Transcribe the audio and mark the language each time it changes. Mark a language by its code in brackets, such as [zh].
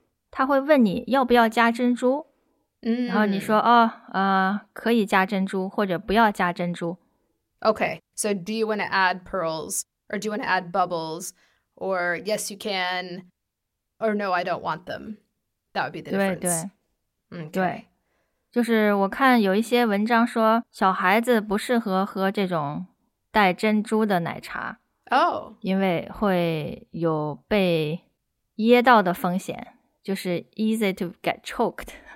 [zh] 对对，如果是只是奶茶的话，有的时候珍珠奶茶和奶茶对大家来说应该是一个意思，但是你点奶茶的时候，他会问你要不要加珍珠。然后你说，可以加珍珠，或者不要加珍珠。 [en] Okay, so do you want to add pearls, or do you want to add bubbles, or yes, you can, or no, I don't want them. That would be the difference. [zh] 对，就是我看有一些文章说小孩子不适合喝这种带珍珠的奶茶，因为会有被噎到的风险，就是 [en] easy to get choked.